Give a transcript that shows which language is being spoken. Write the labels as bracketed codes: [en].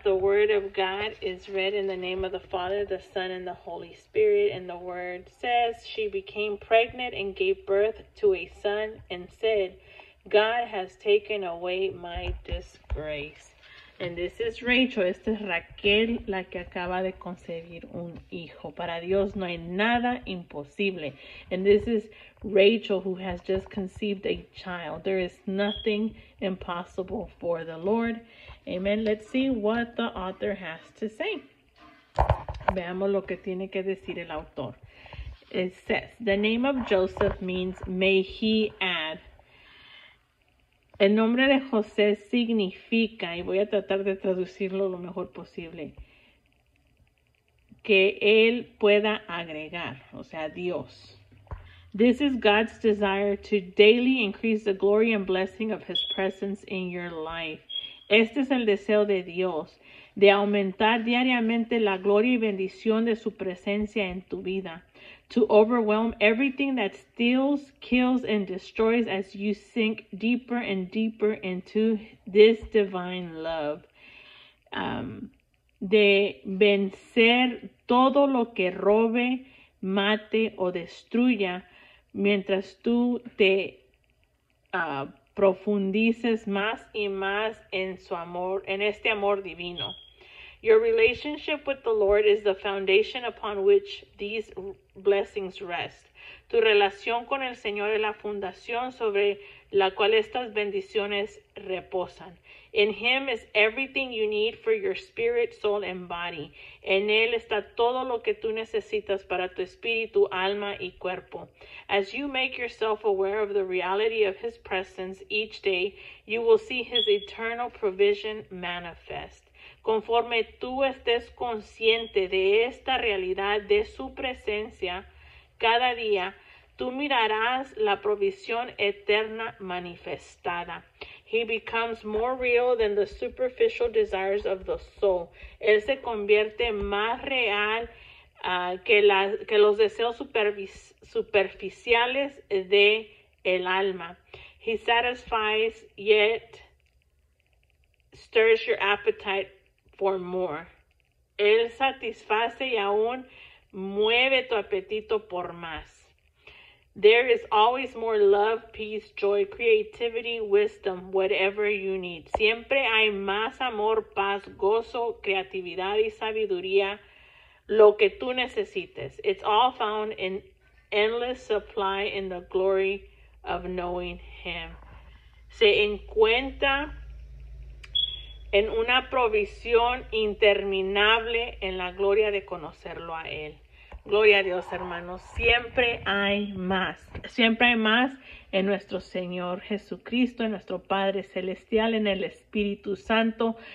[en] The word of God is read in the name of the Father, the Son, and the Holy Spirit. And the word says, she became pregnant and gave birth to a son and said, God has taken away my disgrace. And this is Rachel. [es] Esta es Raquel, la que acaba de concebir un hijo. Para Dios no hay nada imposible. [en] And this is Rachel who has just conceived a child. There is nothing impossible for the Lord. Amen. Let's see what the author has to say. [es] Veamos lo que tiene que decir el autor. [en] It says, the name of Joseph means may he add. [es] El nombre de José significa, y voy a tratar de traducirlo lo mejor posible, que él pueda agregar, o sea, Dios. [en] This is God's desire to daily increase the glory and blessing of his presence in your life. [es] Este es el deseo de Dios, de aumentar diariamente la gloria y bendición de su presencia en tu vida. [en] To overwhelm everything that steals, kills, and destroys as you sink deeper and deeper into this divine love. [es] De vencer todo lo que robe, mate, o destruya, mientras tú te profundices más y más en su amor, en este amor divino. [en] Your relationship with the Lord is the foundation upon which these blessings rest. [es] Tu relación con el Señor es la fundación sobre la cual estas bendiciones reposan. [en] In Him is everything you need for your spirit, soul, and body. [es] En Él está todo lo que tú necesitas para tu espíritu, alma, y cuerpo. [en] As you make yourself aware of the reality of His presence each day, you will see His eternal provision manifest. [es] Conforme tú estés consciente de esta realidad de su presencia, cada día tú mirarás la provisión eterna manifestada. [en] He becomes more real than the superficial desires of the soul. [es] Él se convierte más real que los deseos superficiales de el alma. [en] He satisfies yet stirs your appetite for more. [es] Él satisface y aún mueve tu apetito por más. [en] There is always more love, peace, joy, creativity, wisdom, whatever you need. [es] Siempre hay más amor, paz, gozo, creatividad y sabiduría, lo que tú necesites. [en] It's all found in endless supply in the glory of knowing Him. [es] Se encuentra en una provisión interminable en la gloria de conocerlo a Él. Gloria a Dios, hermanos. Siempre hay más. Siempre hay más en nuestro Señor Jesucristo, en nuestro Padre Celestial, en el Espíritu Santo.